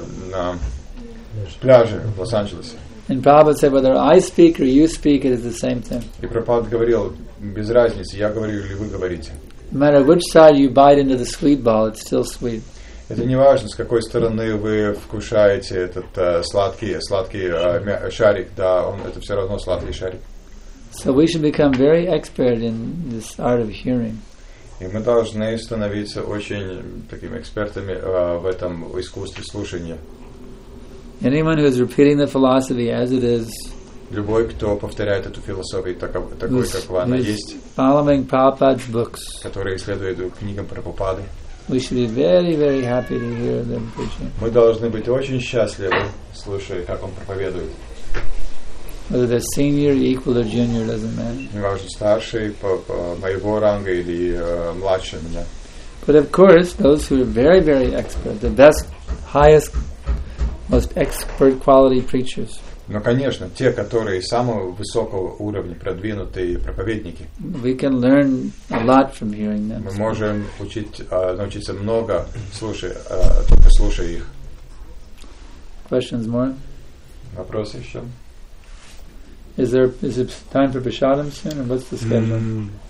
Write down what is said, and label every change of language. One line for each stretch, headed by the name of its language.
Russian: На пляже в Лос-Анджелесе.
English: And Prabhupada said, whether I speak or you speak, it is the same thing.
Russian: И Прабхупад говорил, без разницы, я говорю или вы говорите.
English: No matter which side you bite into the sweet ball, it's still sweet.
Russian: Это не важно, с какой стороны вы вкушаете этот сладкий шарик, да, он это все равно сладкий шарик.
English: So we should become very expert in this art of hearing.
Russian: И мы должны становиться очень такими экспертами в этом искусстве слушания.
English: Anyone who is repeating the philosophy as it is.
Russian: Любой, кто повторяет эту философию такой, как она есть.
English: Following Prabhupada's books.
Russian: Которые следуют книгам Прабхупады.
English: We should be very, very happy to hear them preaching.
Russian: Мы должны быть очень счастливы, слушая, как он проповедует.
English: Whether they're senior, equal, or junior, doesn't matter.
Russian: Неважно, старший по моего ранга или младше меня.
English: But of course, those who are very, very expert, the best, highest, most expert quality preachers.
Russian: Но, конечно, те, которые самого высокого уровня, продвинутые проповедники.
English: We can learn a lot from hearing them.
Russian: Мы можем научиться много, только слушая их.
English: Questions more?
Russian: Вопросы еще?
English: Is it time for Prashadam soon, or what's the schedule?